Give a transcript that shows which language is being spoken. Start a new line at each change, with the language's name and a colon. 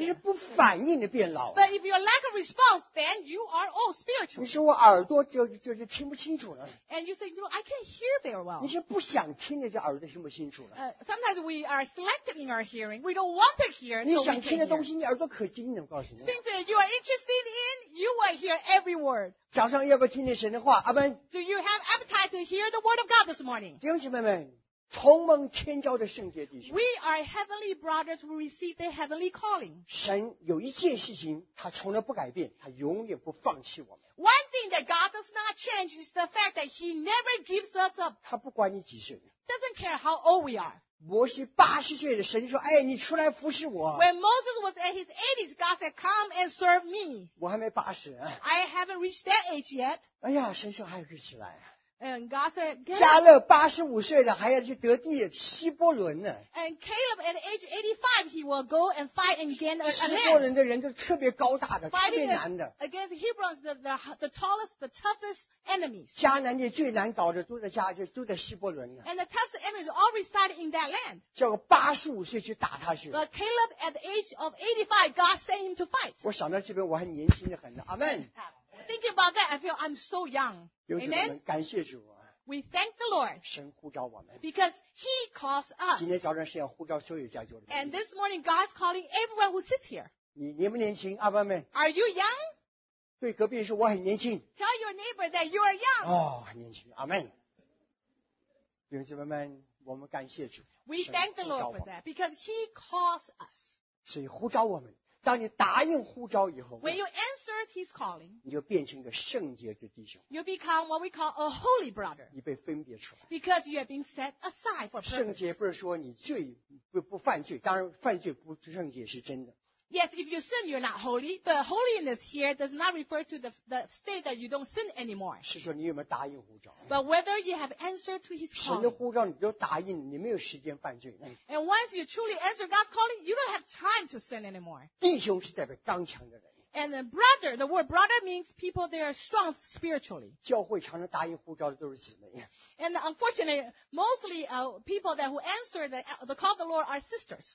Chinese: 你是不反应的变老。
English: But if you lack a response, then you are old spiritually.
Chinese: 你说我耳朵就听不清楚了。
English: And you say, you know, I can't hear very well.
Chinese: 你是不想听的，这耳朵听不清楚了。
English: Sometimes we are selective in our hearing. We don't want to hear.
Chinese: 你想听的东西，你耳朵可精了，我告诉你。
English: Things that you are interested in, you will hear every word.
Chinese: 早上要不要听听神的话？阿门。
English: Do you have appetite to hear the word of God this morning?
Chinese: 弟兄姐妹们。同蒙天召的圣洁弟兄
English: We are heavenly brothers who receive the heavenly calling.
Chinese: 神有一件事情他从来不改变他永远不放弃我们
English: One thing that God does not change is the fact that he never gives us up.
Chinese: 他不管你几岁
English: Doesn't care how old we are.
Chinese: 摩西八十岁的神说哎你出来服侍我
English: When Moses was at his 80s, God said, come and serve me.
Chinese: 我还没八十
English: I haven't reached that age yet.
Chinese: 哎呀神说还可以起来啊
English: And God said,
Chinese: 加勒八十五岁的还要去得地希伯伦呢。
English: And Caleb at age 85, he will go and fight against a land.
Chinese: 希伯伦的人都特别高大的，特别难的。
English: Against Hebrews, the tallest, the toughest enemies.
Chinese: 迦南地最难搞的都在希伯伦呢。
English: And the toughest enemies all reside in that land.
Chinese: 叫个八十五岁去打他去。
English: But Caleb at the age of 85, God sent him to fight.
Chinese: 我想到这边我还年轻的很呢。阿门。
English: Thinking about that, I feel I'm so young. Amen.
Chinese: 感谢主啊。
English: We thank the Lord.
Chinese: 神呼召我们。
English: Because He calls us.
Chinese: 今天早上是要呼召所有在座的。
English: And this morning, God's calling everyone who sits here.
Chinese: 你年不年轻，阿爸们
English: ？Are you young?
Chinese: 对隔壁说我很年轻。
English: Tell your neighbor that you are young.
Chinese: 哦，很年轻，阿门。弟兄姐妹们，我们感谢主。
English: We thank the Lord for that because He calls us.
Chinese: 所以呼召我们。当你答应呼召以后
English: When you answer his calling,
Chinese: 你就变成一个圣洁的弟兄
English: You become what we call a holy brother
Chinese: 你被分别出来
English: Because you have been set aside for purpose
Chinese: 圣洁不是说你罪 不犯罪当然犯罪不圣洁是真的
English: Yes, if you sin, you're not holy But holiness here does not refer to the state that you don't sin anymore
Chinese: 是说你有没有答应呼召
English: But whether you have answered to his calling
Chinese: 神的呼召你都答应你没有时间犯罪
English: And once you truly answer God's calling you don't have time to sin anymore
Chinese: 弟兄是代表刚强的人
English: And brother, the word brother means people that are strong spiritually
Chinese: 教会常常答应呼召的都是姊妹
English: And unfortunately, mostly people that who answer the call of the Lord are sisters